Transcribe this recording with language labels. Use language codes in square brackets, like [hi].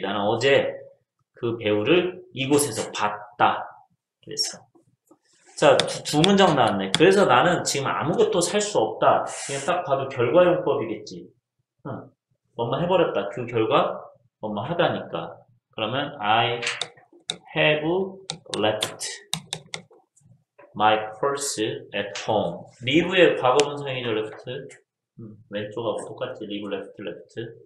[ko] 나는 어제 그 배우를 이곳에서 봤다. 그랬어. 자, 두 문장 나왔네. 그래서 나는 지금 아무것도 살 수 없다. 그냥 딱 봐도 결과용법이겠지. 뭔가 해버렸다. 그 결과 뭔가 하다니까. [en] 그러면 I have left my purse at home. [ko] leave의 과거 분사형이죠, left. 왼쪽하고 똑같지, leave, left, left.